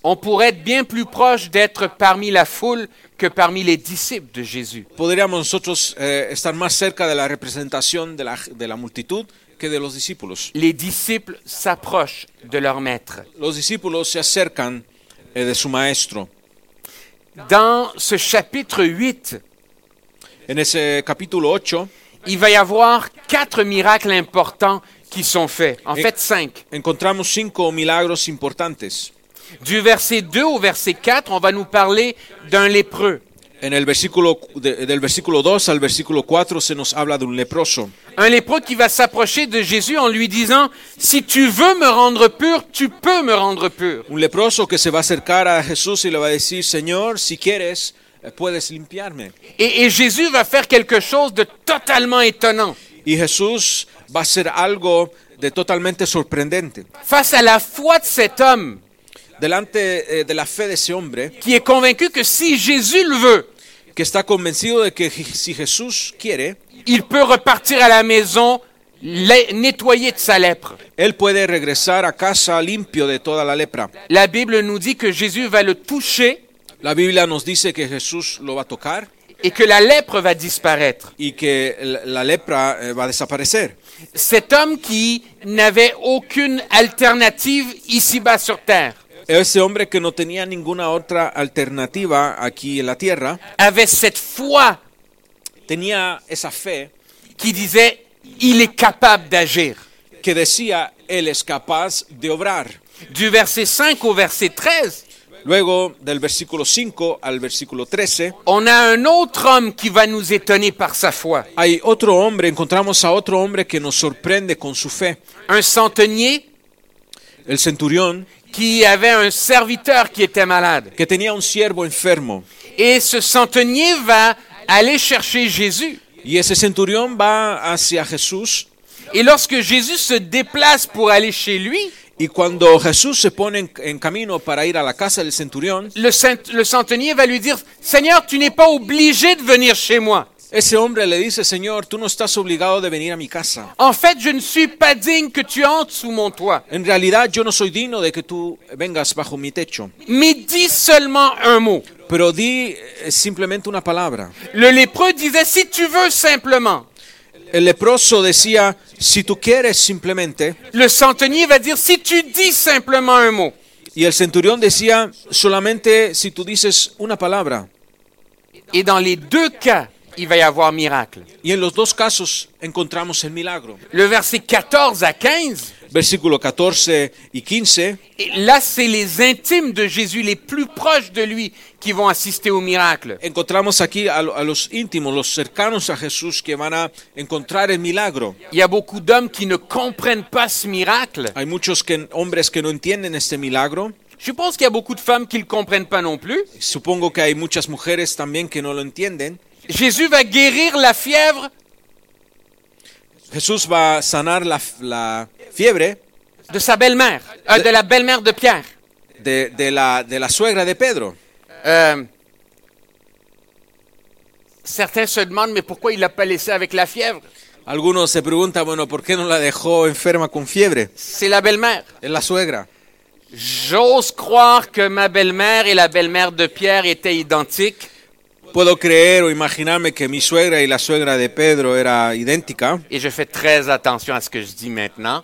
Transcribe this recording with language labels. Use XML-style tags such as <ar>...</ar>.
<fr>on pourrait être bien plus proche d'être parmi la foule que parmi les disciples de Jésus.</fr> <es>Podríamos nosotros estar más cerca de la representación de la multitud que de los discípulos.</es> <fr>Les disciples s'approchent de leur maître.</fr> <es>Los discípulos se acercan de su maestro.</es> <fr>Dans ce chapitre 8,</fr> <es>en ese capítulo 8,</es> <fr>il va y avoir quatre miracles importants qui sont faits. En fait, cinq.</fr> <es>Encontramos cinco milagros importantes.</es> <fr>Du verset 2 au verset 4, on va nous parler d'un lépreux.</fr> <es>En el versículo del versículo 2 al versículo 4 se nos habla de un leproso.</es> <fr>Un lépreux qui va s'approcher de Jésus en lui disant, si tu veux me rendre pur, tu peux me rendre pur.</fr> <es>Un leproso que se va a acercar a Jesús y le va a decir, Señor, si quieres, puedes limpiarme.</es> <fr>Et Jésus va faire quelque chose de totalement étonnant.</fr> <es>Y Jesús va a hacer algo de totalmente sorprendente.</es> <fr>Face à la foi de cet homme,</fr> <es>delante de la fe de ese hombre,</es> <fr>qui est convaincu que si Jésus le veut,</fr> <es>que está convencido de que si Jesús quiere,</es> <fr>il peut repartir à la maison nettoyé de sa lèpre.</fr> <es>Él puede regresar a casa limpio de toda la lepra.</es> <fr>La Bible nous dit que Jésus va le toucher.</fr> <es>La Biblia nos dice que Jesús lo va a tocar.</es> <fr>Et que la lèpre va disparaître.</fr> <es>Y que la lepra va a desaparecer.</es> <fr>Cet homme qui n'avait aucune alternative ici-bas sur terre.</fr> <es>Ese hombre que no tenía ninguna otra alternativa aquí en la tierra.</es> <fr>Avait cette foi.</fr> <es>Tenía esa fe.</es> <fr>Qui disait, il est capable d'agir.</fr> <es>Que decía, él es capaz de obrar.</es> <fr>Du verset 5 au verset 13.</fr> <es>Luego, del versículo 5 al versículo 13,</es> <fr>on a un autre homme qui va nous étonner par sa foi.</fr> <es>Hay otro hombre, encontramos a otro hombre que nos sorprende con su fe.</es> <fr>Un centenier,</fr> <es>el centurión,</es> <fr>qui avait un serviteur qui était malade.</fr> <es>Que tenía un siervo enfermo.</es> <fr>Et ce centenier va aller chercher Jésus.</fr> <es>Y ese centurión va hacia Jesús.</es> <fr>Et lorsque Jésus se déplace pour aller chez lui,</fr> <es>y cuando Jesús se pone en camino para ir a la casa del centurión,</es> <fr>le centenier va lui dire, Señor, tú n'es pas obligé de venir chez moi.</fr> <es>Ese hombre le dice, Señor, tú no estás obligado de venir a mi casa.</es> <fr>En fait, je ne suis pas digne que tu entres sous mon toit.</fr> <es>En realidad, yo no soy digno de que tú vengas bajo mi techo.</es> <fr>Mais dis seulement un mot.</fr> <es>Pero di simplemente una palabra.</es> <fr>Le lépreux disait, si tu veux simplement.</fr> <es>El leproso decía, si tú quieres simplemente.</es> <fr>Le centenier va dire, si tu dis simplement un mot.</fr> <es>Y el centurión decía, solamente si tú dices una palabra.</es> <fr>Et dans les deux cas, il va y avoir miracle.</fr> <es>Y en los dos casos encontramos el milagro.</es> <fr>Le verset 14 à 15.</fr> <es>Versículo 14 y 15.</es> <fr>Et là, c'est les intimes de Jésus, les plus proches de lui, qui vont assister au miracle.</fr> <es>Encontramos aquí a los íntimos, los cercanos a Jesús, que van a encontrar el milagro.</es> <fr>Il y a beaucoup d'hommes qui ne comprennent pas ce miracle.</fr> <es>Hay muchos que, hombres que no entienden este milagro.</es> <fr>Je pense qu'il y a beaucoup de femmes qui ne le comprennent pas non plus.</fr> <es>Supongo que hay muchas mujeres también que no lo entienden.</es> <fr>Jésus va guérir la fièvre.</fr> <es>Jesús va a sanar la fiebre</es> <fr>de sa belle-mère, de la belle-mère de Pierre.</fr> <es>De la suegra de Pedro.</es> <fr>Certains se demandent, mais pourquoi il l'a pas laissé avec la fièvre?</fr> <es>Algunos se preguntan, bueno, ¿por qué no la dejó enferma con fiebre?</es> <fr>C'est la belle-mère.</fr> <es>Es la suegra.</es> <fr>J'ose croire que ma belle-mère et la belle-mère de Pierre étaient identiques.</fr> <es>Puedo creer o imaginarme que mi suegra y la suegra de Pedro era idéntica.</es> <fr>Et je fais très attention à ce que je dis maintenant.</fr>